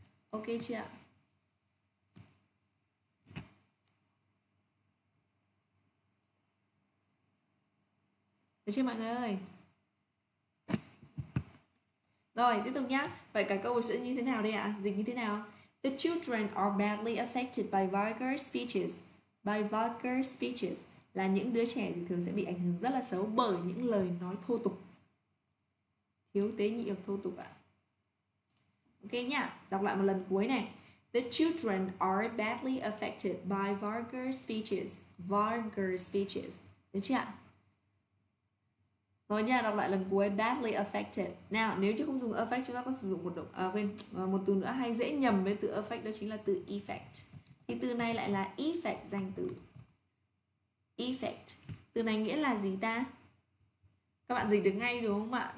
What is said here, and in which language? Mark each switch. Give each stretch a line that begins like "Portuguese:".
Vietnamese: Ok chưa ạ? Được chưa mọi người ơi? Rồi, tiếp tục nhá. Vậy cả câu sẽ như thế nào đây ạ? Dịch như thế nào?
English: The children are badly affected by vulgar speeches. By vulgar speeches
Vietnamese: là những đứa trẻ thì thường sẽ bị ảnh hưởng rất là xấu bởi những lời nói thô tục. Thiếu tế nhị hoặc thô tục ạ. Ok nhá, đọc lại một lần cuối này.
English: The children are badly affected by vulgar speeches. Vulgar speeches.
Vietnamese: Được chưa ạ? Rồi nha, đọc lại lần cuối, badly affected. Nào, nếu chứ không dùng affect, chúng ta có sử dụng một động, một từ nữa hay dễ nhầm với từ affect, đó chính là từ effect. Thì từ này lại là effect danh từ. Effect. Từ này nghĩa là gì ta? Các bạn dịch được ngay đúng không ạ?